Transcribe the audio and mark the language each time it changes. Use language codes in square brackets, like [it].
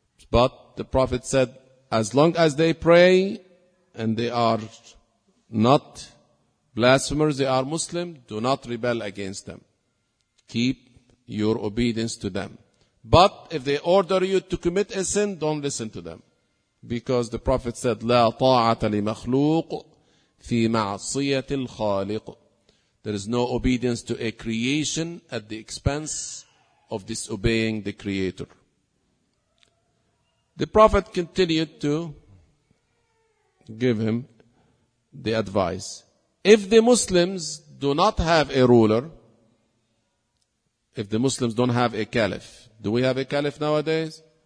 [en] But the Prophet said, as long as they pray and they are not blasphemers, they are Muslim, do not rebel against them. Keep your obedience to them. But if they order you to commit a sin, don't listen to them. Because the Prophet said, [ar] لا طاعة لمخلوق في معصية الخالق. [en] There is no obedience to a creation at the expense of disobeying the Creator. The Prophet continued to give him the advice. If the Muslims do not have a ruler, if the Muslims don't have a caliph, do we have a caliph nowadays?